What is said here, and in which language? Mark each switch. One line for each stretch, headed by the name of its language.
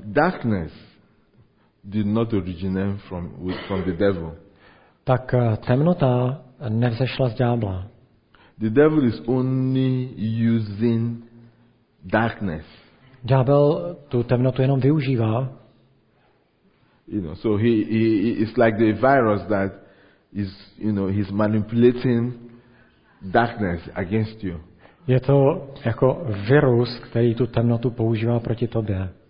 English: Darkness did not originate from the devil.
Czech: Tak temnota nevzešla z ďábla.
English: The devil is only using darkness.
Czech: Ďábel tu temnotu jenom využívá.
English: You know, so he it's like the virus that is, you know, he's manipulating darkness against you.
Czech: Je to jako virus, který tu temnotu používá proti tobě.